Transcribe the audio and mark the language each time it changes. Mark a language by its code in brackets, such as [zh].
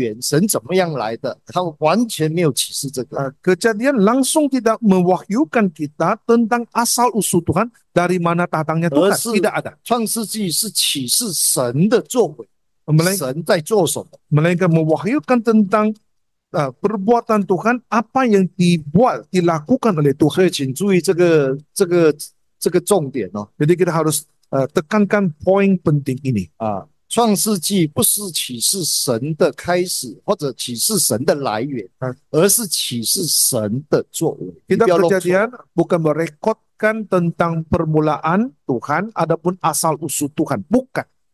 [zh] 他完全没有提到神的来源，神怎么样来的，他完全没有启示这个。 [ms] Kejadian langsung tidak mewahyukan kita tentang asal-usul Tuhan, dari mana datangnya Tuhan, tidak ada. [zh] 创世纪是启示神的作为，神在做什么。 [ms] melainkan mewahyukan tentang perbuatan Tuhan, apa yang dibuat, dilakukan oleh Tuhan. [zh] 所以请注意这个重点哦。 [ms] Jadi kita harus tekankan poin penting ini. [zh] 创世纪不是启示神的开始，或者启示神的来源，而是启示神的作为。 [ms] Kitab kejadian bukan merekodkan tentang permulaan Tuhan, adapun asal-usul Tuhan, bukan.